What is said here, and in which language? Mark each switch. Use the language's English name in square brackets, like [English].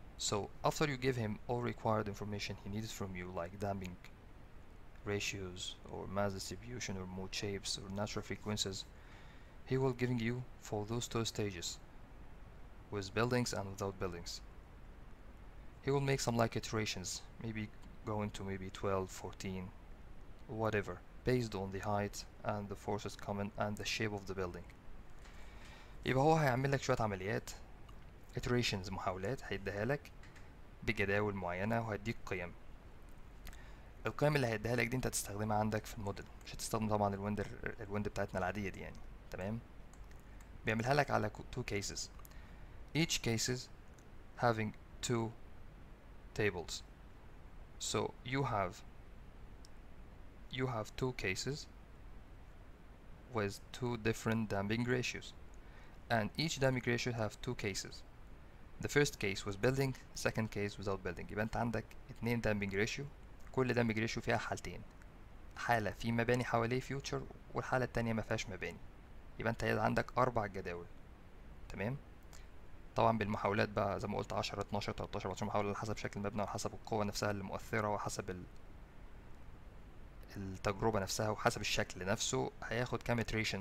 [English] So after you give him all required information he needs from you, like damping ratios or mass distribution or mode shapes or natural frequencies, he will giving you for those two stages, with buildings and without buildings. He will make some like iterations, maybe going to maybe 12, 14, whatever, based on the height and the forces coming and the shape of the building. [Arabic] يبقى هو هيعمل لك شوية عمليات iterations محاولات, هيديها لك بجداول معينة وهيديك قيم. القيم اللي هيديها لك دي انت هتستخدمها عندك في الموديل, مش هتستخدم طبعا الويند بتاعتنا العادية دي يعني. تمام, بيعملها لك على [English] two cases, each cases having two tables. So you have two cases with two different damping ratios, and each damping ratio have two cases. The first case was building, second case without building. [Arabic] يبقى انت عندك اتنين damping ratio, كل damping ratio فيها حالتين, حالة في مباني حواليه future والحالة التانية ما فيهاش مباني. يبقى انت عندك اربع جداول. تمام, طبعا بالمحاولات بقى زي ما قلت 10 12 13 14 محاولة على حسب شكل المبنى وحسب القوة نفسها المؤثرة وحسب التجربة نفسها وحسب الشكل نفسه هياخد كام اتريشن.